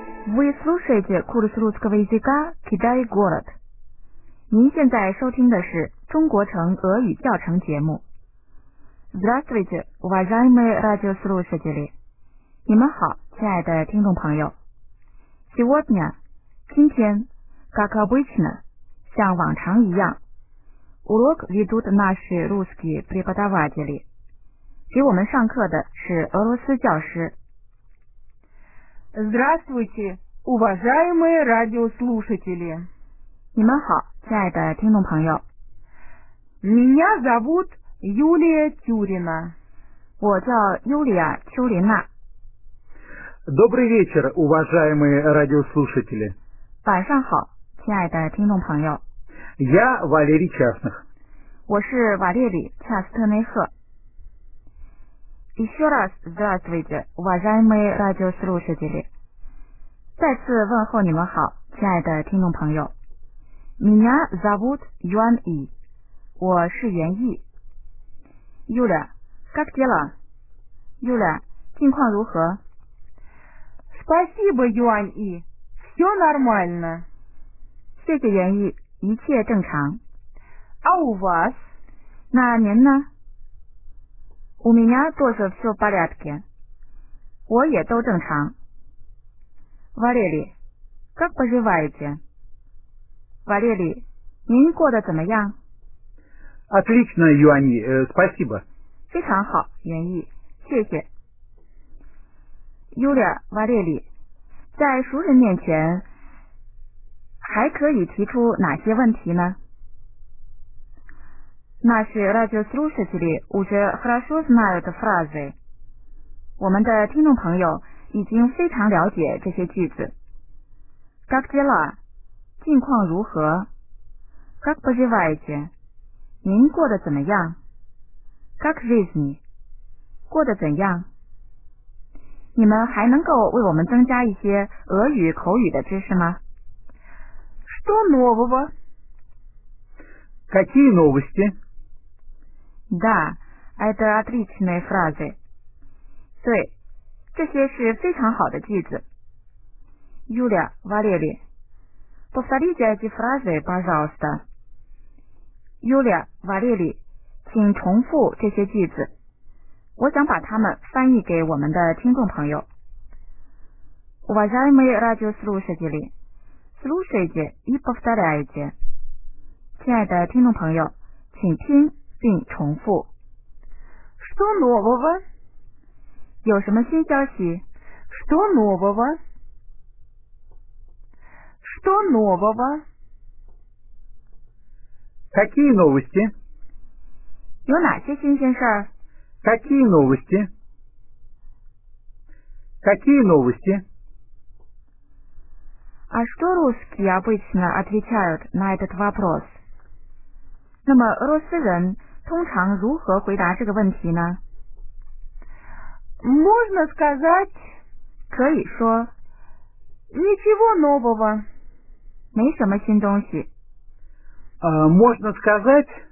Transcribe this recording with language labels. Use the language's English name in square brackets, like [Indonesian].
[Russian] Вы слушаете курс русского языка «Китай город». [Chinese] 您现在收听的是中国城俄语教程节目。 [Russian] Здравствуйте, уважаемые радиослушатели! [Chinese] 你们好，亲爱的听众朋友。 [Russian] Сегодня, [Chinese] 今天 [Russian] как обычно, [Chinese] 像往常一样 [Russian] урок ведут наши русские преподаватели, [Chinese] 给我们上课的是俄罗斯教师。 [Russian] Здравствуйте, уважаемые радиослушатели! [Chinese] 你们好，亲爱的听众朋友。 [Russian] Меня зовут Юлия Тюрина. [Chinese] 我叫尤里亚·丘琳娜。 [Russian] Добрый вечер, уважаемые радиослушатели. [Chinese] 晚上好，亲爱的听众朋友。 [Russian] Я Валерий Частных. [Chinese] 我是瓦列里·恰斯特内赫。 [Russian] Еще раз здравствуйте, уважаемые радиослушатели. [Chinese] 再次问候你们好，亲爱的听众朋友。 [Russian] Меня зовут Юан И. [Chinese] 我是袁毅。 [Russian] Юля, как дела? Юля, [Chinese] 近况如何？ [Russian] Спасибо, Юан И. Все нормально. [Chinese] 谢谢袁毅，一切正常。 [Russian] А у вас? [Chinese] 那您呢？ [Russian] У меня тоже все в порядке. [Chinese] 我也都正常。 [Russian] Валерий, как поживаете? [Chinese] Валерий, 您过得怎么样？ [Russian] Отлично, Юан И. Спасибо. [Chinese] 非常好，袁毅，谢谢。 Юля, Валерий,在熟人面前还可以提出哪些问题呢？那是 [Russian] радиослушатели уже хорошо знают фразы. [Chinese] 我们的听众朋友已经非常了解这些句子。 [Russian] Как дела? [Chinese] 近况如何？ [Russian] Как поживаете? [Chinese] 您过得怎么样？ [Russian] Как жизнь? [Chinese] 过得怎样？你们还能够为我们增加一些俄语口语的知识吗？ [Russian] Что нового? Какие новости? Да, это отличные фразы. [Chinese] 对，这些是非常好的句子。 [Russian] Юля, Валерий, повторите эти фразы, пожалуйста. [Chinese] Юля, Валерий, 请重复这些句子。我想把它们翻译给我们的听众朋友。 [Russian] Уважаемые радиослушатели, слушайте и повторяйте. [Chinese] 亲爱的听众朋友，请听并重复。 [Russian] Что нового? [Chinese] 有什么新消息？ [Russian] Что нового? Что нового? Какие новости? [Chinese] 有哪些新鲜事儿？ [Russian] Какие новости? Какие новости? А что русские обычно отвечают на этот вопрос? [Chinese] 那么русские人通常如何回答这个问题呢? [Russian] Можно сказать, [Chinese] 可以说, [Russian] ничего нового, [Chinese] 没什么新东西。 [Russian] Можно сказать,